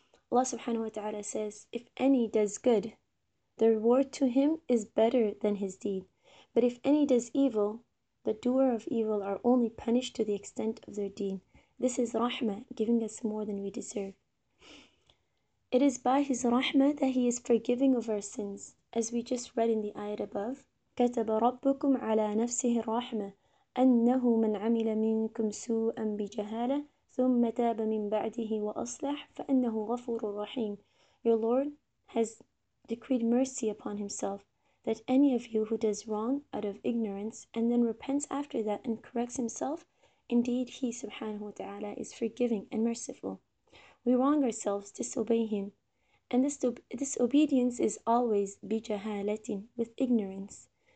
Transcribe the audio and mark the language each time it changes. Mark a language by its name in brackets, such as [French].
[English] Allah subhanahu wa ta'ala says, if any does good, the reward to him is better than his deed. But if any does evil, the doer of evil are only punished to the extent of their deen. This is rahmah, giving us more than we deserve. It is by his rahmah that he is forgiving of our sins. As we just read in the ayat above, [Arabic] كَتَبَ رَبُّكُمْ عَلَىٰ نَفْسِهِ رَحْمَةً أَنَّهُ مَنْ عَمِلَ مِنْكُمْ سُوءًا بِجَهَالَةً ثُمَّ تَابَ مِنْ بَعْدِهِ وَأَصْلَحْ فَأَنَّهُ غَفُورٌ رَحِيمٌ. [English] Your Lord has decreed mercy upon himself, that any of you who does wrong out of ignorance and then repents after that and corrects himself, indeed he, subhanahu wa ta'ala, is forgiving and merciful. We wrong ourselves, disobey him. And this disobedience is always bijahalatin, with ignorance.